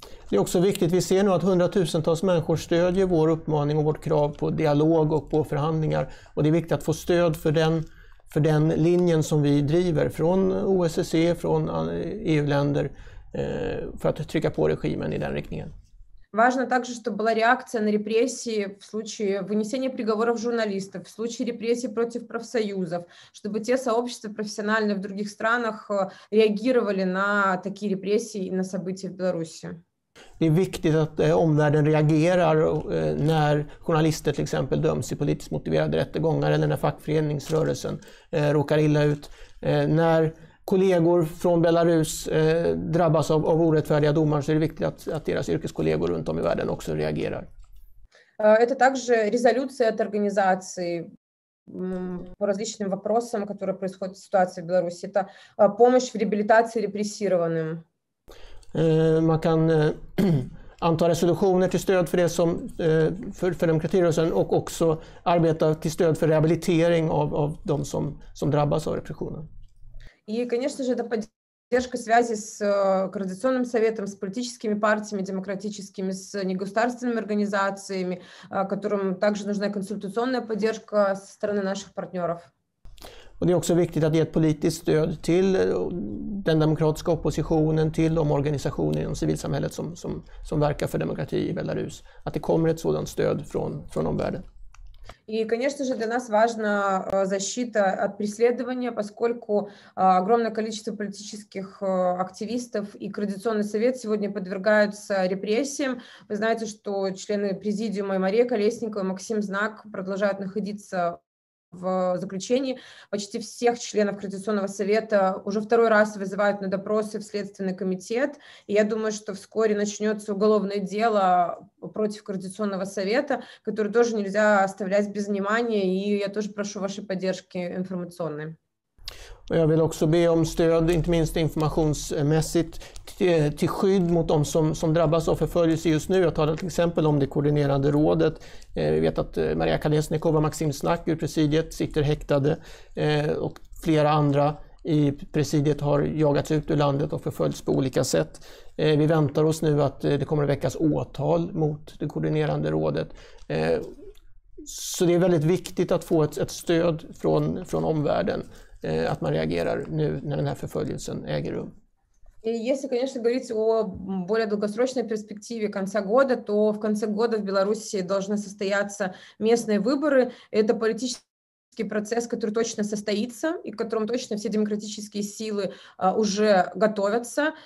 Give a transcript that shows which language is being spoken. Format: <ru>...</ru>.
<sv>Det är också viktigt. Vi ser nu att hundratusentals människor stödjer vår uppmaning och vårt krav på dialog och på förhandlingar, och det är viktigt att få stöd för den linjen som vi driver från OSSE, från EU-länder för att trycka på regimen i den riktningen.</sv> <ru>Важно также, чтобы была реакция на репрессии в случае вынесения приговоров журналистов, в случае репрессий против профсоюзов, чтобы те сообщества профессиональные в других странах реагировали на такие репрессии и на события в Беларуси.</ru> <sv>Det är viktigt att omvärlden reagerar när journalister till exempel döms i politiskt motiverade rättegångar eller när fackföreningsrörelsen råkar illa ut. När kollegor från Belarus drabbas av orättfärdiga domar, så är det viktigt att deras yrkeskollegor runt om i världen också reagerar. Det är också resolution från organisationen.</sv> <ru>По различным вопросам, которые происходят в ситуации в Беларуси, это помощь в реабилитации репрессированным.</ru> <sv>Man kan anta resolutioner till stöd för det som för demokratirörelsen och också arbeta till stöd för rehabilitering av de som drabbas av repressionen.</sv> <ru>И, конечно же, это Поддержка связи с Координационным советом, с политическими партиями демократическими, с негосударственными организациями, которым также нужна консультационная поддержка со стороны наших партнеров.</ru> <sv>Och det är också viktigt att ge ett politiskt stöd till den demokratiska oppositionen, till de organisationer inom civilsamhället som verkar för demokrati i Belarus. Att det kommer ett sådant stöd från omvärlden.</sv> <ru>И, конечно же, для нас важна защита от преследования, поскольку огромное количество политических активистов и Координационный совет сегодня подвергаются репрессиям. Вы знаете, что члены президиума и Мария Колесникова, и Максим Знак продолжают находиться в заключении. Почти всех членов Координационного совета уже второй раз вызывают на допросы в Следственный комитет. И я думаю, что вскоре начнется уголовное дело против Координационного совета, которое тоже нельзя оставлять без внимания. И я тоже прошу вашей поддержки информационной.</ru> <sv>Jag vill också be om stöd, inte minst informationsmässigt, till skydd mot de som drabbas av förföljelse just nu. Jag talar till exempel om det koordinerande rådet. Vi vet att Maria Kalesnikova, Maxim Snack ur presidiet sitter häktade och flera andra i presidiet har jagats ut ur landet och förföljts på olika sätt. Vi väntar oss nu att det kommer att väckas åtal mot det koordinerande rådet. Så det är väldigt viktigt att få ett stöd från omvärlden. Att man reagerar nu när den här förföljelsen äger rum.</sv> <ru>Если, конечно, говорить о более долгосрочной перспективе конца года, то в конце года в Беларуси должны состояться местные выборы. Это политический процесс, который точно состоится и к которому точно все демократические силы уже готовятся.</ru>